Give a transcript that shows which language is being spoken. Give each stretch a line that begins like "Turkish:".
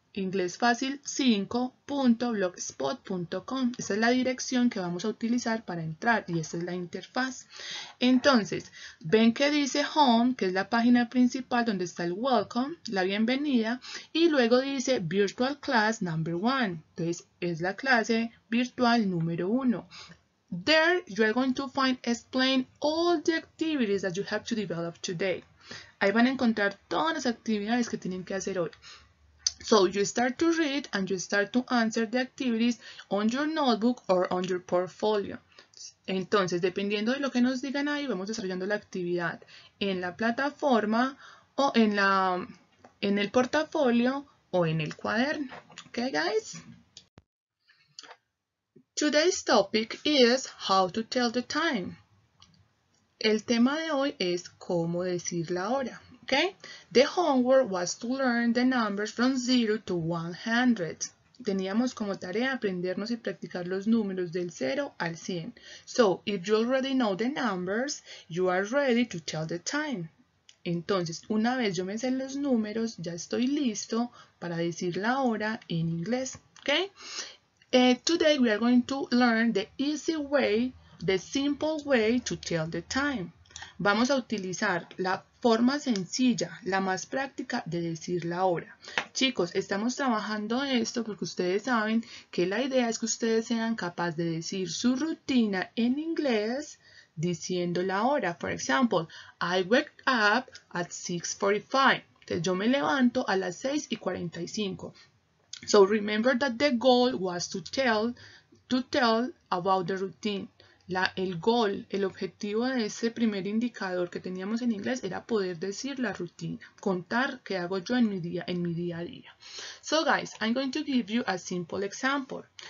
Spanish: Inglés fácil 5.blogspot.com. Esa es la dirección que vamos a utilizar para entrar y esta es la interfaz. Entonces, ven que dice home, que es la página principal donde está el welcome, la bienvenida, y luego dice
English: virtual class number one.
Spanish: Entonces, es la clase virtual número uno.
English: There, you are going to find explain all the activities that you have to develop today.
Spanish: Ahí van a encontrar todas las actividades que tienen que hacer hoy.
English: So you start to read and you start to answer the activities on your notebook or on your portfolio.
Spanish: Entonces, dependiendo de lo que nos digan ahí, vamos desarrollando la actividad en la plataforma o en el portafolio o en el cuaderno.
English: Okay, guys? Today's topic is how to tell the time.
Spanish: El tema de hoy es cómo decir la hora.
English: Okay. The homework was to learn the numbers from 0 to 100.
Spanish: Teníamos como tarea aprendernos y practicar los números del 0 al 100.
English: So, if you already know the numbers, you are ready to tell the time.
Spanish: Entonces, una vez yo me sé los números, ya estoy listo para decir la hora en inglés.
English: Okay? Today we are going to learn the easy way, the simple way to tell the time.
Spanish: Vamos a utilizar la forma sencilla, la más práctica de decir la hora. Chicos, estamos trabajando esto porque ustedes saben que la idea es que ustedes sean capaces de decir su rutina en inglés diciendo la hora.
English: For example, I wake up at 6:45.
Spanish: Entonces, yo me levanto a las 6:45.
English: So remember that the goal was to tell about the routine.
Spanish: El objetivo de ese primer indicador que teníamos en inglés era poder decir la rutina, contar qué hago yo en mi día a día.
English: So guys, I'm going to give you a simple example.